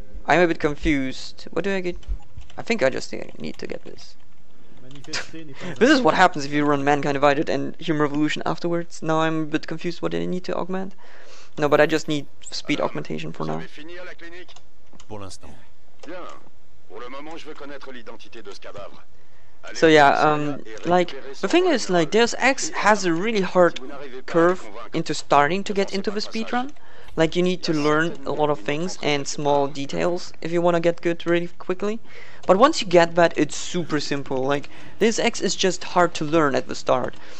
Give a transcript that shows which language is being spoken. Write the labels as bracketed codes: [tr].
[en] I'm a bit confused. What do I get? I think I just need to get this. This is what happens if you run Mankind Divided and Human Revolution afterwards. Now I'm a bit confused what I need to augment. No, but I just need speed augmentation for now. [fr] Pour l'instant. Bien. Pour le moment, je veux connaître l'identité de ce cadavre. [en] So yeah, like, the thing is, like, Deus Ex has a really hard curve into starting to get into the speedrun. Like, you need to learn a lot of things and small details if you want to get good really quickly. But once you get that, it's super simple. Like, Deus Ex is just hard to learn at the start.